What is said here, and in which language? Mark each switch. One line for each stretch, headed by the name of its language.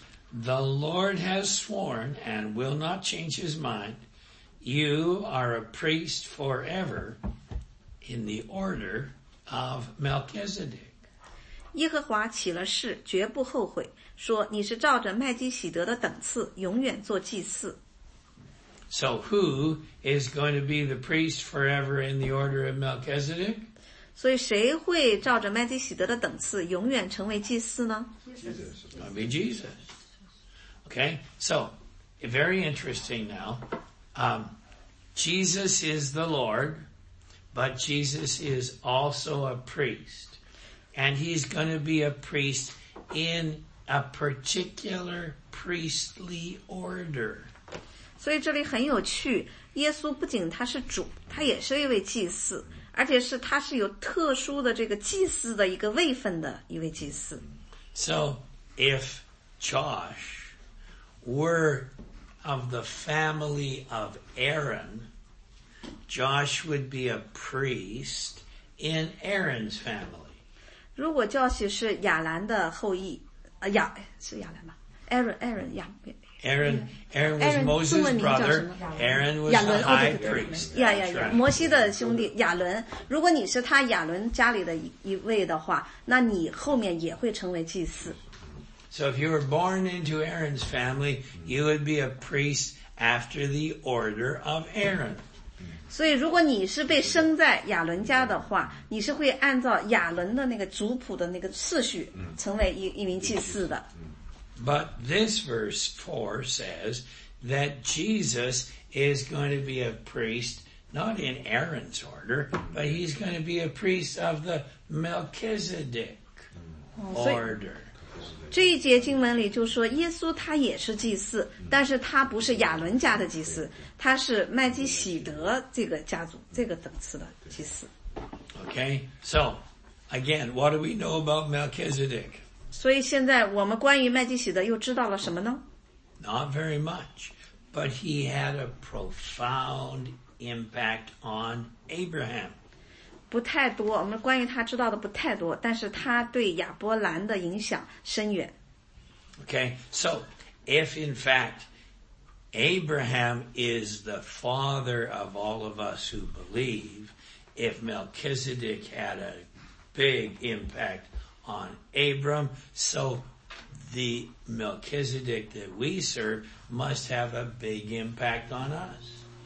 English: The Lord has sworn and will not change his mind, you are a priest forever in the order of Melchizedek.
Chinese: 耶和华起了誓，绝不后悔，说你是照着麦基洗德的等次，永远做祭司。
English: So who is going to be the priest forever in the order of Melchizedek?
Chinese: 所以谁会照着麦基洗德的等次，永远成为祭司呢？
English: Jesus. It'll be Jesus. Okay, so very interesting now. Jesus is the Lord, but Jesus is also a priest. And he's going to be a priest in a particular priestly order.
Chinese: 所以这里很有趣，耶稣不仅他是主，他也是一位祭司，而且是他是有特殊的这个祭司的一个位分的一位祭司。
English: So, if Josh were of the family of Aaron, Josh would be a priest in Aaron's family.
Chinese: 如果 Josh 是亚兰的后裔，亚是亚兰吗？Aaron 亚。
English: Aaron was Moses' brother. Aaron was the high priest. Yeah, yeah, yeah.
Chinese: 摩西的兄弟亚伦，如果你是他亚伦家里的一位的话，那你后面也会成为祭司。
English: So if you were born into Aaron's family, you would be a priest after the order of Aaron.
Chinese: 所以如果你是被生在亚伦家的话，你是会按照亚伦的那个族谱的那个次序成为一名祭司的。
English: But this verse 4 says that Jesus is going to be a priest, not in Aaron's order, but he's going to be a priest of the Melchizedek order.
Chinese: 这一节经文里就说耶稣他也是祭司，但是他不是亚伦家的祭司，他是麦基洗德这个家族，这个等次的祭司。
English: Okay, so again, what do we know about Melchizedek?
Chinese: 所以现在我们关于麦基洗德又知道了什么呢？
English: Not very much, but he had a profound impact on Abraham.
Chinese: 不太多，我们关于他知道的不太多，但是他对亚伯兰的影响深远。
English: Okay, so if in fact Abraham is the father of all of us who believe, if Melchizedek had a big impact on Abram, so the Melchizedek that we serve must have a big impact on us.